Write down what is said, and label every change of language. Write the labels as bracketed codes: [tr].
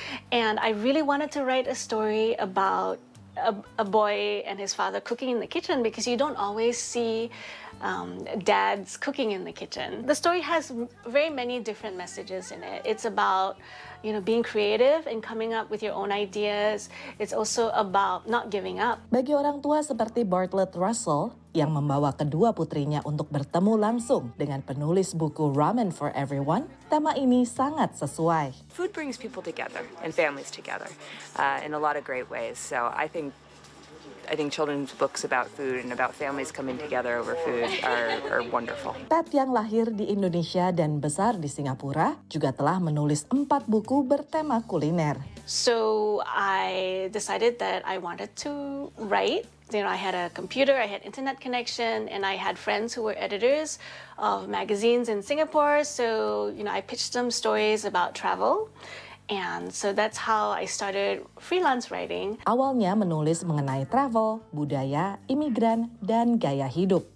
[en] And I really wanted to write a story about a boy and his father cooking in the kitchen because you don't always see dads cooking in the kitchen. The story has very many different messages in it. It's about, you know, being creative and coming up with your own ideas. It's also about not giving up. [id] Bagi orang tua seperti Bartlett Russell yang membawa kedua putrinya untuk bertemu langsung dengan penulis buku Ramen for Everyone, tema ini sangat sesuai. [en] Food brings people together and families together in a lot of great ways. So I think children's books about food and about families coming together over food are wonderful. [id] Pat yang lahir di Indonesia dan besar di Singapura juga telah menulis 4 buku bertema kuliner. [en] So I decided that I wanted to write You know, I had a computer, I had internet connection, and I had friends who were editors of magazines in Singapore. So, you know, I pitched them stories about travel. And so that's how I started freelance writing. [id] Awalnya menulis mengenai travel, budaya, imigran, dan gaya hidup.